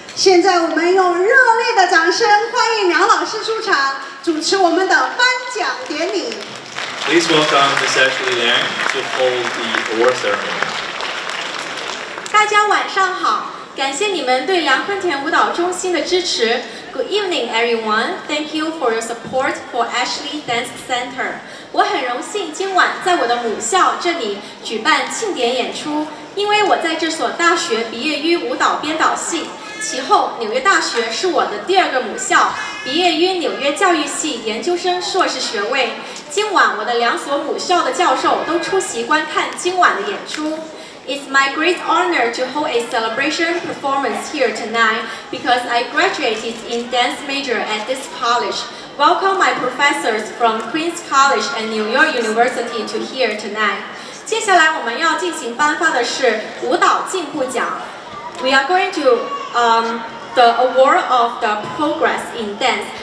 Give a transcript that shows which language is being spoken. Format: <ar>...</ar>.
<zh>现在我们用热烈的掌声欢迎梁老师出场，主持我们的颁奖典礼。</zh> <en>Please welcome Ms. Ashley Lim to hold the award ceremony.</en> <zh>大家晚上好，感谢你们对梁坤田舞蹈中心的支持。</zh> <en>Good evening, everyone. Thank you for your support for Ashley Dance Center.</en> <zh>我很荣幸今晚在我的母校这里举办庆典演出，因为我在这所大学毕业于舞蹈编导系，其后纽约大学是我的第二个母校，毕业于纽约教育系研究生硕士学位。今晚我的两所母校的教授都出席观看今晚的演出。</zh> <en>It's my great honor to hold a celebration performance here tonight because I graduated in dance major at this college. Welcome my professors from Queens College and New York University to here tonight.</en> <zh>接下来我们要进行颁发的是舞蹈进步奖。</zh> <en>We are going to the award of the progress in dance.</en>